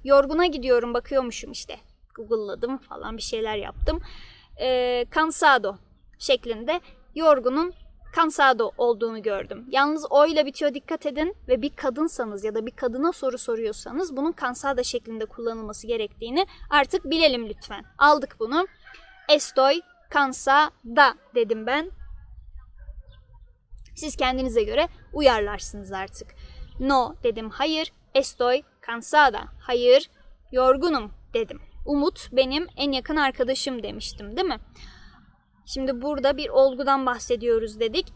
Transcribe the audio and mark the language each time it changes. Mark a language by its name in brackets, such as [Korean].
[Turkish] Yorguna gidiyorum bakıyormuşum işte. Google'ladım falan bir şeyler yaptım. Cansado şeklinde yorgunun cansado olduğunu gördüm. Yalnız o ile bitiyor dikkat edin ve bir kadınsanız ya da bir kadına soru soruyorsanız bunun cansado şeklinde kullanılması gerektiğini artık bilelim lütfen. Aldık bunu. [Spanish] Estoy cansada [Turkish] dedim ben. Siz kendinize göre uyarlarsınız artık. No dedim hayır. [Spanish] Estoy cansada. [Turkish] Hayır yorgunum dedim. Umut benim en yakın arkadaşım demiştim değil mi? Şimdi burada bir olgudan bahsediyoruz dedik.